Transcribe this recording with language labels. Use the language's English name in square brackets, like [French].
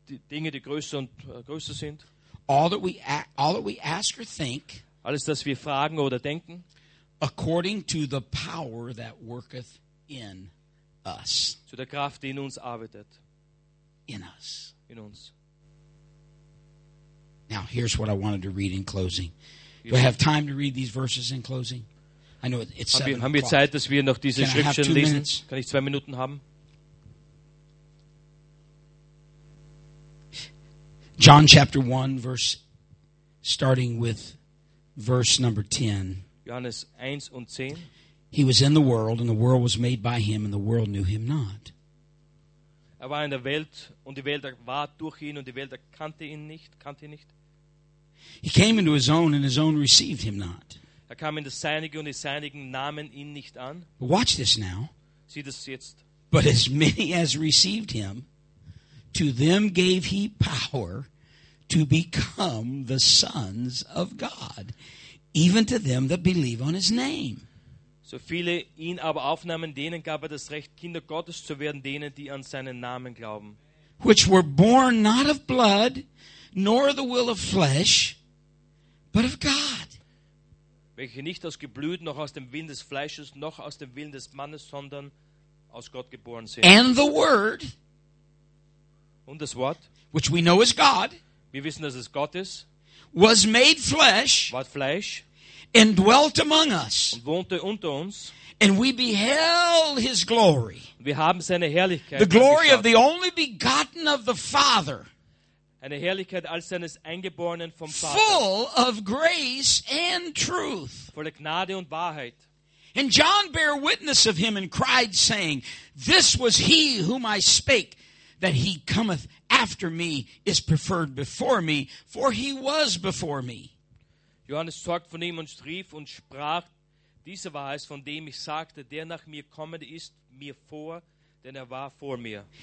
[German] Dinge, die größer und größer sind. [English] All that we ask or think. [German] Alles, das wir fragen oder denken. [English] According to the power that worketh in us. [German] Zu der Kraft, die in uns arbeitet. [English] In us. [German] In uns. [English] Now here's what I wanted to read in closing. Do I have time to read these verses in closing? I know it's 7 o'clock. [German] Haben wir Zeit, dass wir noch diese Schriftstellen lesen? Kann ich 2 Minuten haben? [English] John chapter 1, starting with verse number 10. [German] Johannes 1 und 10. [English] He was in the world, and the world was made by him, and the world knew him not. [German] Er war in der Welt, und die Welt war durch ihn, und die Welt erkannte ihn nicht, kannte ihn nicht. [English] He came into his own, and his own received him not. [German] Er kam in das Seinige, und die Seinigen nahmen ihn nicht an. [English] Watch this now. [German] Sieh das jetzt. [English] But as many as received him, to them gave he power to become the sons of God, even to them that believe on his name. [German] So viele ihn aber aufnahmen, denen gab er das Recht, Kinder Gottes zu werden, denen, die an seinen Namen glauben. [English] Which were born not of blood, nor the will of flesh, but of God. [German] Welche nicht aus Geblüt, noch aus dem Willen des Fleisches, noch aus dem Willen des Mannes, sondern aus Gott geboren sind. [English] And the Word, [German] und das Wort, [English] which we know is God, [German] wir wissen, dass es Gott ist, [English] was made flesh, [German] ward Fleisch, [English] and dwelt among us, [German] und wohnte unter uns, [English] and we beheld his glory, [German] wir haben seine Herrlichkeit, [English] the glory of the only begotten of the Father, [German] eine Herrlichkeit als seines Eingeborenen vom Vater. [English] Full of grace and truth. [German] Voller Gnade und Wahrheit. [English] And John bare witness of him and cried, saying, this was he whom I spake, that he cometh after me, is preferred before me, for he was before me. [German] Johannes zeugt von ihm und rief und sprach, dieser war es, von dem ich sagte, der nach mir kommend ist mir vor, denn er war vor mir.